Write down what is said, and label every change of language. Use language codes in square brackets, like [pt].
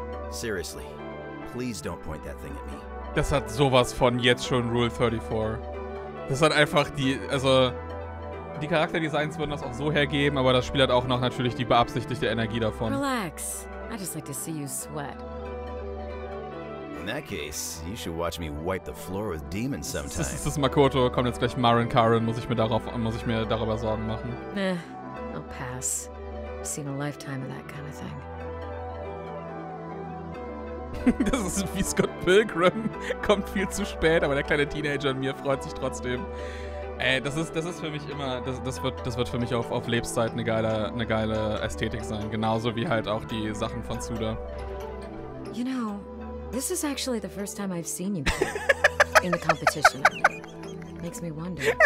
[en] Seriously, please don't point that thing at me. [de] Das hat sowas von jetzt schon Rule 34. Das hat einfach die, also die Charakterdesigns würden das auch so hergeben, aber das Spiel hat auch noch natürlich die beabsichtigte Energie davon. [en] Relax. I just like to see you sweat. In that case, you should watch me wipe the floor with demons sometime. [de] Das ist Makoto, kommt jetzt gleich Marin Karin, muss ich mir darüber Sorgen machen. [en] Eh, I'll pass. I've seen a lifetime of that kind of thing. [de] Das ist wie Scott Pilgrim. Kommt viel zu spät, aber der kleine Teenager in mir freut sich trotzdem. Ey, das ist für mich immer, das wird für mich auf Lebenszeit eine geile Ästhetik sein. Genauso wie halt auch die Sachen von Suda. [en] You know, this is actually the first time I've seen you in the competition. Makes me wonder.